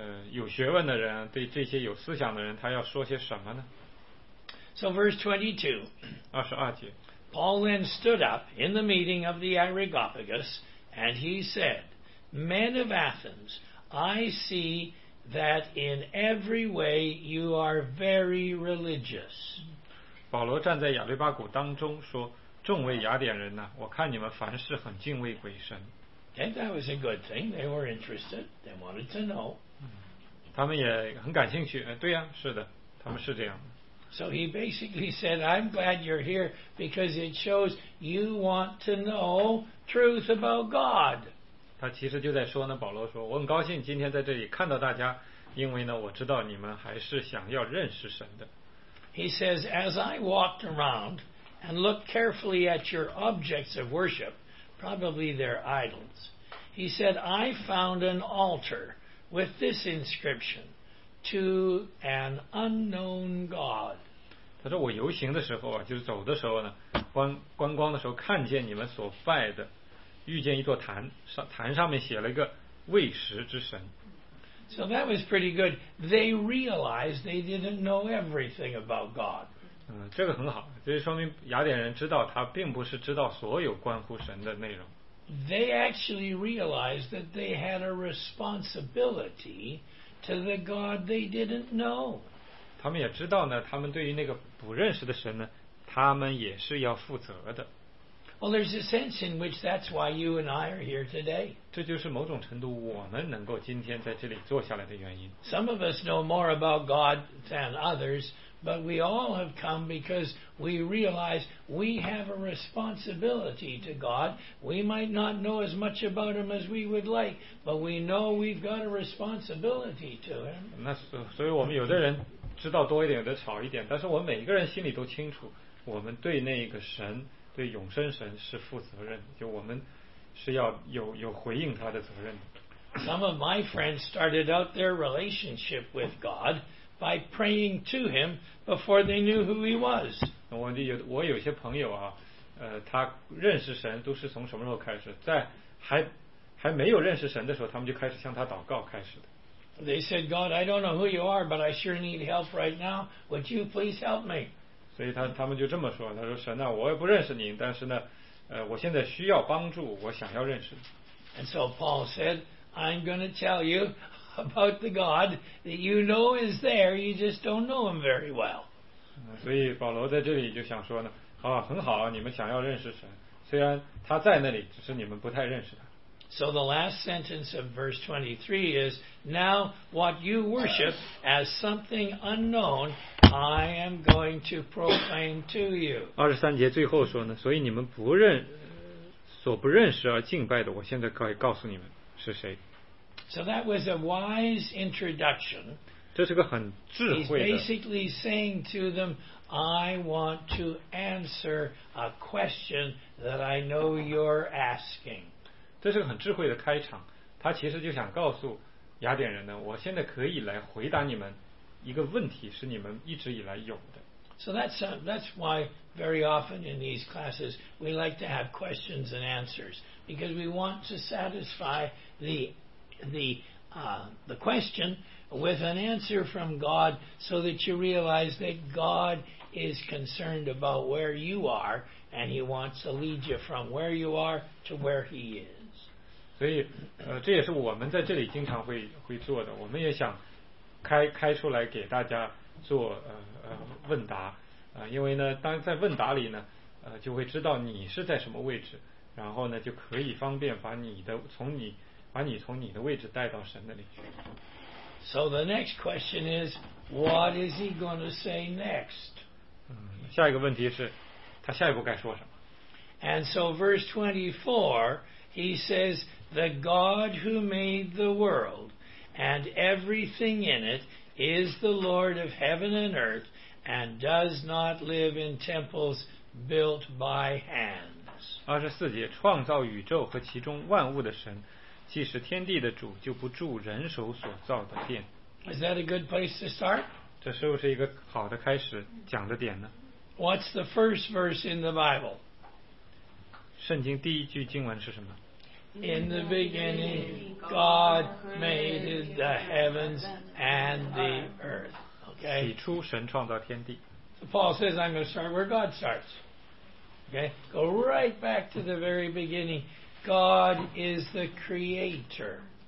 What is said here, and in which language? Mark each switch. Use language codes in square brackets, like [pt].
[zh] 有学问的人，对这些有思想的人，他要说些什么呢？ [en] So verse 22. [zh] 二十二节。 [en] Paul then stood up in the meeting of the Areopagus, and he said, Men of Athens, I see that in every way you are very religious. [zh] 保罗站在亚律巴谷当中说，众位雅典人呢、啊、我看你们凡事很敬畏鬼神。 [en] And that was a good thing. They were interested. They wanted to know. [zh] 他们也很感兴趣。对呀，是的，他们是这样。 [en] So he basically said, I'm glad you're here because it shows you want to know truth about God. [zh] 他其实就在说呢，保罗说，我很高兴今天在这里看到大家，因为呢，我知道你们还是想要认识神的。 [en] He says, as I walked around and looked carefully at your objects of worship,Probably their idols. He said, I found an altar with this inscription to an unknown God. [zh] 他说我游行的时候啊，就是走的时候呢，观光的时候看见你们所拜的，遇见一座坛，坛上面写了一个未食之神。 [en] So that was pretty good. They realized they didn't know everything about God. [zh] 这个很好，这说明雅典人知道他并不是知道所有关乎神的内容。 [en] They actually realized that they had a responsibility to the God they didn't know. [zh] 他们也知道呢，他们对于那个不认识的神呢，他们也是要负责的。 [en] Well, there's a sense in which that's why you and I are here today. [zh] 这就是某种程度我们能够今天在这里坐下来的原因。 [en] Some of us know more about God than others. But we all have come because we realize we have a responsibility to God. We might not know as much about Him as we would like, but we know we've got a responsibility to Him. [zh] 那所以我们有的人知道多一点，有的少一点，但是我们每一个人心里都清楚，我们对那个神，对永生神是负责任，就我们是要有回应他的责任。 [en] Some of my friends started out their relationship with God by praying to him before they knew who he was. [zh] 我有些朋友啊，他认识神都是从什么时候开始？在还没有认识神的时候，他们就开始向他祷告开始的。 [en] They said, God, I don't know who you are, but I sure need help right now. Would you please help me? [zh] 所以他们就这么说，他说神啊，我也不认识您，但是呢，我现在需要帮助，我想要认识。 [en] And so Paul said, I'm going to tell you about the God that you know is there, you just don't know him very well. [zh] 所以保罗在这里就想说呢，好，很好，你们想要认识神，虽然他在那里，只是你们不太认识他。 [en] So the last sentence of verse 23 is, now what you worship as something unknown, I am going to proclaim to you. [zh] 23节最后说呢，所以你们不认，所不认识而敬拜的，我现在可以告诉你们是谁。 [en] So that was a wise introduction. [zh] 这是个很智慧的。 [en] He's basically saying to them, I want to answer a question that I know you're asking. [zh] 这是个很智慧的开场，他其实就想告诉雅典人呢，我现在可以来回答你们一个问题，是你们一直以来有的。 [en] So that's why very often in these classes we like to have questions and answers because we want to satisfy the question with an answer from God so that you realize that God is concerned about where you are and He wants to lead you from where you are to where He is. [zh] 所以这也是我们在这里经常会做的，我们也想开出来给大家做问答，因为呢当在问答里呢就会知道你是在什么位置，然后呢就可以方便把你从你的位置带到神那里去。 [en] So the next question is, what is he going to say next? [zh] 下一个问题是他下一步该说什么。 [en] And so verse 24, he says,The God who made the world and everything in it is the Lord of heaven and earth and does not live in temples built by hands. [zh] 24节，创造宇宙和其中万物的神，既是天地的主，就不住人手所造的殿。 [en] Is that a good place to start? [zh] 这是不是一个好的开始讲的点呢？ [en] What's the first verse in the Bible? [zh] 圣经第一句经文是什么？ [en] In the beginning, God made the heavens and the earth. Okay. [zh] 起初神创造天地。 [en] So Paul says, I'm going to start where God starts. Okay. Go right back to the very beginning. God is the creator.